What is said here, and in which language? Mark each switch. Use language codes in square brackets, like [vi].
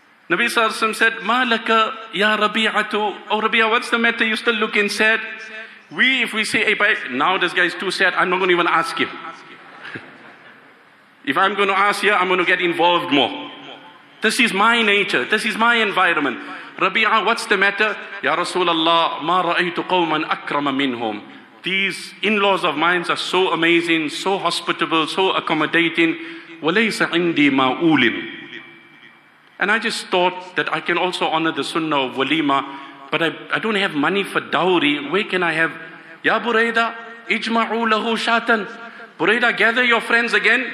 [en] Nabi Sallallahu Alaihi Wasallam said, [ar] مَا لَكَ يَا رَبِيعَةُ. [en] Oh Rabi'ah, what's the matter? You still looking sad? We, if we say, hey, now this guy is too sad, I'm not going to even ask him. If I'm going to ask here, I'm going to get involved more. This is my nature. This is my environment. Rabi'ah, what's the matter? [ar] Ya Rasulallah, مَا رَأَيْتُ قَوْمًا أَكْرَمَ مِنْهُمْ. [en] These in-laws of mine are so amazing, so hospitable, so accommodating. [ar] وَلَيْسَ عِنْدِي مَا أُولِمْ. [en] And I just thought that I can also honor the sunnah of walima, but I don't have money for dowry. Where can I have? [ar] Ya Burayda, ijma'u lahu shatan. [en] Burayda, gather your friends again.